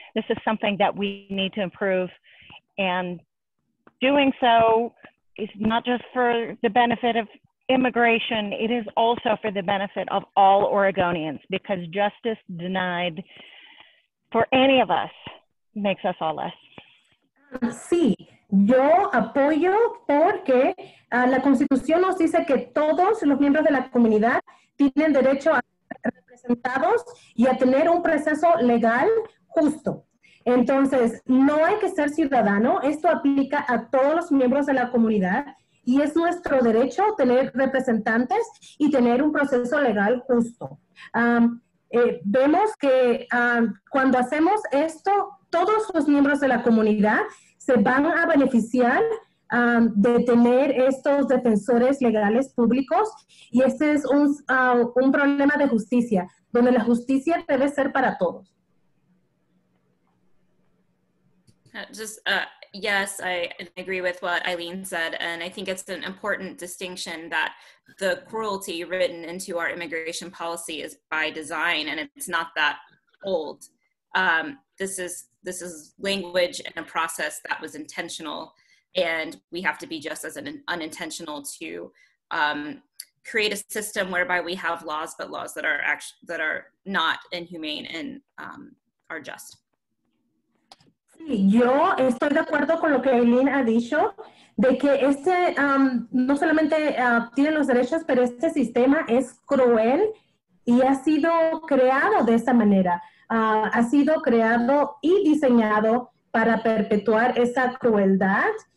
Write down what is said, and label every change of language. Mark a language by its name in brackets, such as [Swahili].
[English] This is something that we need to improve. And doing so is not just for the benefit of immigration, it is also for the benefit of all Oregonians, because justice denied for any of us makes us all less. [Spanish] Sí, yo apoyo porque la Constitución nos dice que todos los miembros de la comunidad tienen derecho a ser representados y a tener un proceso legal justo. Entonces, no hay que ser ciudadano, esto aplica a todos los miembros de la comunidad, y es nuestro derecho tener representantes y tener un proceso legal justo. Vemos que cuando hacemos esto, todos los miembros de la comunidad se van a beneficiar de tener estos defensores legales públicos, y este es un problema de justicia, donde la justicia debe ser para todos. [English] Yes, I agree with what Eileen said, and I think it's an important distinction that the cruelty written into our immigration policy is by design, and it's not that old. This is language and a process that was intentional, and we have to be just as unintentional to create a system whereby we have laws, but laws that are actually not inhumane and are just. [Spanish] Sí, Yo estoy de acuerdo con lo que Eileen ha dicho, de que este no solamente tiene los derechos, pero este sistema es cruel y ha sido creado de esta manera. Ha sido creado y diseñado para perpetuar esa crueldad.